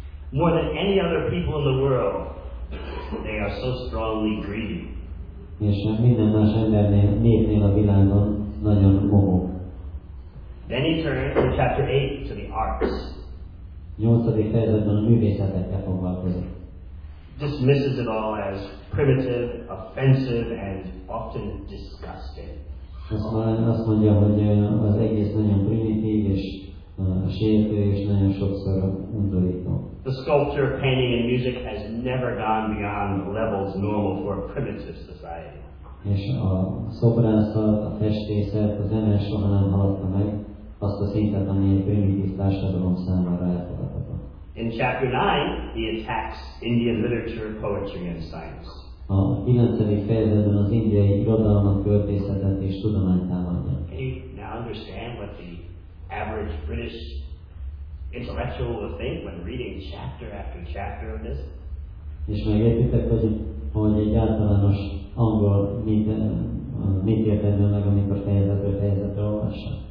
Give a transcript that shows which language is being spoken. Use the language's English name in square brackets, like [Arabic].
[English] More than any other people in the world, they are so strongly greedy. [Hungarian] És minden más embernél, népnél a világon nagyon mohók. [English] Then he turns to chapter 8, to the arts. [Hungarian] Nyolcadik fejezetben a művészetekkel foglalkozik. [English] Dismisses it all as primitive, offensive, and often disgusting. [Hungarian] Azt mondja, hogy az egész nagyon primitív és sértő és nagyon sokszor undorító. [English] The sculpture, painting, and music has never gone beyond levels normal for a primitive society. [Hungarian] És a szobrászat, a festészet, az ember soha nem haladta meg azt a szintet, ami egy primitív társadalom számára elfogadható. [English] In chapter 9, he attacks Indian literature, poetry, and science. [Hungarian] A 9. fejezetben az indiai irodalmat, költészetet és tudományt támadja. [English] Can you now understand what the average British intellectual would think when reading chapter after chapter of this? [Hungarian] És megértitek, hogy egy általános angol mit értene meg, amikor fejezetről fejezetre olvassa?